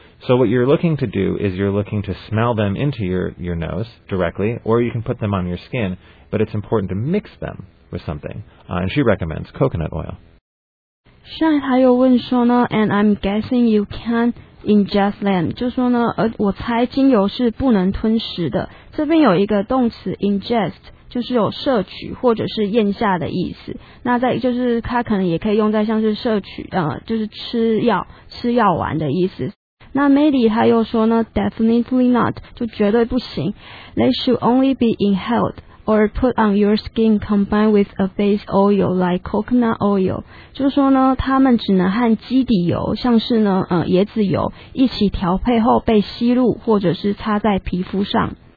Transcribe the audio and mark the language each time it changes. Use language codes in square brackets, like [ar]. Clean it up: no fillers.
[en] So what you're looking to do is you're looking to smell them into your nose directly, or you can put them on your skin, but it's important to mix them with something. And she recommends coconut oil. Sean [zh] 还有问说呢 [en] and I'm guessing you can't ingest them. [zh] 就说呢我猜精油是不能吞食的。这边有一个动词 ingest. 就是有摄取或者是咽下的意思。那在就是它可能也可以用在像是摄取就是吃药丸的意思。那 Mandy 他又说呢 , [en] definitely not, [zh] 就绝对不行。 [en] They should only be inhaled or put on your skin combined with a base oil like coconut oil. [zh] 就是说呢他们只能和基底油像是呢椰子油一起调配后被吸入或者是擦在皮肤上。